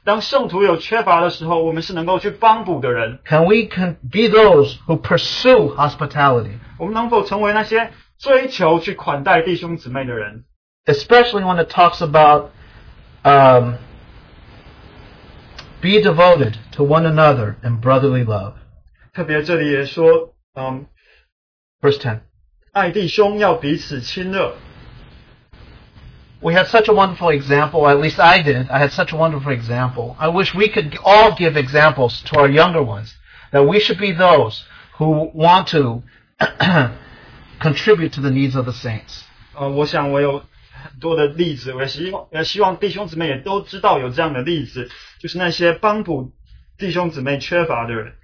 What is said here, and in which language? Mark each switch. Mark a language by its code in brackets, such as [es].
[zh] 我们能否成为那些当圣徒有缺乏的时候，我们是能够去帮补的人？ [en] Can we be those who pursue hospitality? [zh] 我们能否成为那些追求去款待弟兄姊妹的人？ [en] Especially when it talks about be devoted to one another in brotherly love. [zh] 特别这里也说, [en] Verse 10. [zh] 爱弟兄要彼此亲热。 [en] We had such a wonderful example, at least I did. I had such a wonderful example. I wish we could all give examples to our younger ones that we should be those who want to contribute to the needs of the saints. [zh] 我想我有很多的例子，我也希望弟兄姊妹也都知道有这样的例子，就是那些帮助弟兄姊妹缺乏的人。